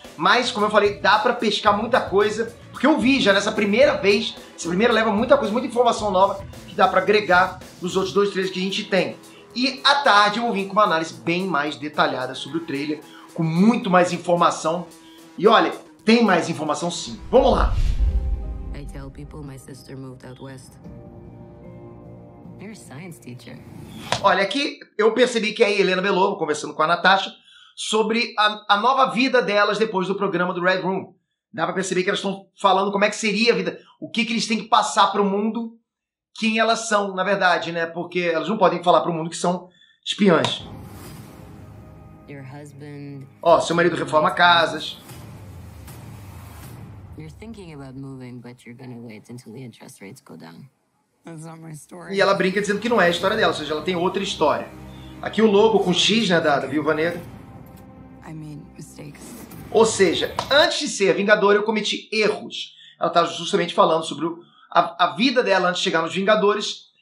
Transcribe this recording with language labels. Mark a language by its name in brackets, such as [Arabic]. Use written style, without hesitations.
[Portuguese] Mas, como eu falei, dá pra pescar muita coisa, porque eu vi já nessa primeira vez, essa primeira leva muita coisa, muita informação nova, que dá pra agregar nos outros dois trailers que a gente tem. E, à tarde, eu vou vir com uma análise bem mais detalhada sobre o trailer, com muito mais informação. E olha, tem mais informação sim. Vamos lá! [English] I tell people my sister moved out west. You're a science teacher. [Portuguese] Olha, aqui eu percebi que é a Helena Belova conversando com a Natasha sobre a nova vida delas depois do programa do Red Room. Dá pra perceber que elas estão falando como é que seria a vida, o que, que eles têm que passar pro mundo, quem elas são, na verdade, né? Porque elas não podem falar pro mundo que são espiãs. [English] Your husband... [Portuguese] Ó, seu marido reforma casas. [English] You're thinking about moving, but you're gonna wait until the interest rates go down. That's not my story. [Portuguese] E ela brinca dizendo que não é a história dela, ou seja, ela tem outra história. Aqui o logo com X, né, da Viúva Negra. [English] I made mistakes. [Portuguese] Ou seja, antes de ser Vingador, eu cometi erros. Ela tá justamente falando sobre a vida dela antes de chegar nos Vingadores.